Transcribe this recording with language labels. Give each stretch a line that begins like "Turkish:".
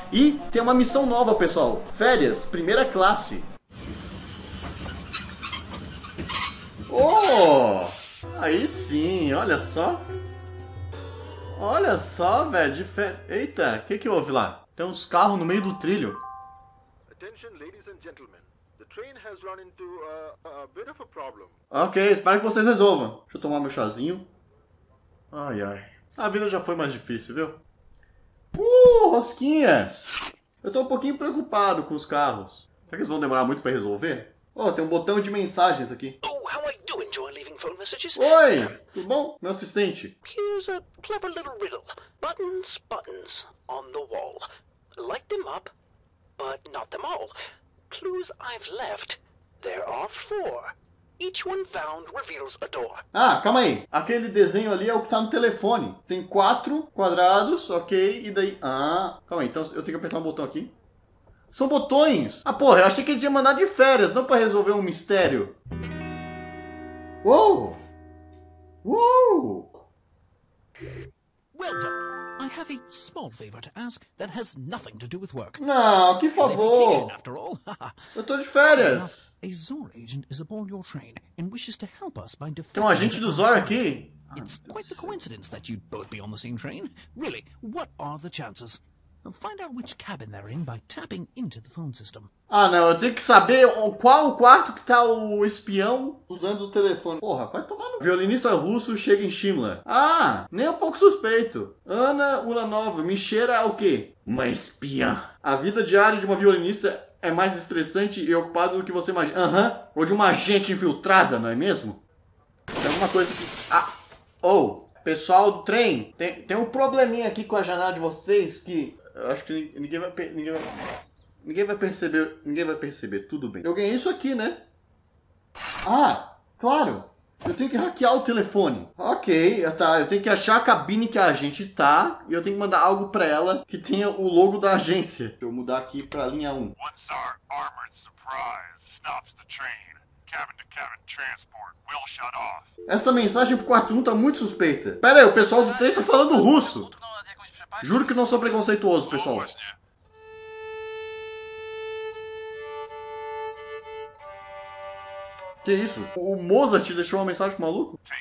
Portuguese: E tem uma missão nova, pessoal, férias, primeira classe. Oh, aí sim, olha só. Olha só, velho, de férias. Eita, o que que houve lá? Tem uns carros no meio do trilho.
English: Attention, ladies and gentlemen. The train has run into a bit of a problem.
Portuguese: Ok, espero que vocês resolvam. Deixa eu tomar meu chazinho. Ai, ai. A vida já foi mais difícil, viu? Rosquinhas! Eu tô um pouquinho preocupado com os carros. Será que eles vão demorar muito pra resolver? Oh, tem um botão de mensagens aqui.
English: Oh, how are you enjoying leaving phone messages?
Portuguese: Oi! Tudo bom? Meu assistente.
English: Here's a clever little riddle. Buttons, buttons on the wall. Light them up. But not them all. Clues I've left, there are four. Each one found reveals a door.
Portuguese: Ah, calma aí. Aquele desenho ali é o que tá no telefone. Tem quatro quadrados, ok, e daí... Ah, calma aí, então eu tenho que apertar um botão aqui. São botões! Ah, porra, eu achei que ele tinha mandado de férias, não pra resolver um mistério. Uou! Uou!
English: Welcome! I have a small favor to ask that has nothing to do with work.
Portuguese: Não, que favor.
English: After all.
Portuguese: Eu tô de férias.
English: A Zor agent is aboard your train and wishes to help us by defending.
Portuguese: Tem um agente do Zor aqui.
English: It's quite the coincidence that you'd both be on the same train. Really, what are the chances? Find out which cabin they're in by tapping into the phone system.
Portuguese: Ah, não, eu tenho que saber qual o quarto que tá o espião usando o telefone. Porra, vai tomar no... Violinista russo chega em Shimla. Ah, nem um pouco suspeito. Ana Ulanova, Micheira é o quê? Uma espiã. A vida diária de uma violinista é mais estressante e ocupada do que você imagina. Aham, ou de uma agente infiltrada, não é mesmo? Tem alguma coisa que... Ah, ou... Oh. Pessoal do trem, tem um probleminha aqui com a janela de vocês que... Eu acho que ninguém vai perceber, tudo bem. Eu ganhei isso aqui, né? Ah, claro! Eu tenho que hackear o telefone. Ok, tá, eu tenho que achar a cabine que a agente tá e eu tenho que mandar algo pra ela que tenha o logo da agência. Deixa eu mudar aqui pra linha 1.
English: What's our armored surprise? Stops the train. Cabin to cabin transport will shut off.
Portuguese: Essa mensagem pro quarto 1 tá muito suspeita. Pera aí, o pessoal do 3 tá falando russo. Juro que não sou preconceituoso, pessoal. Que isso? O Mozart deixou uma mensagem pro maluco?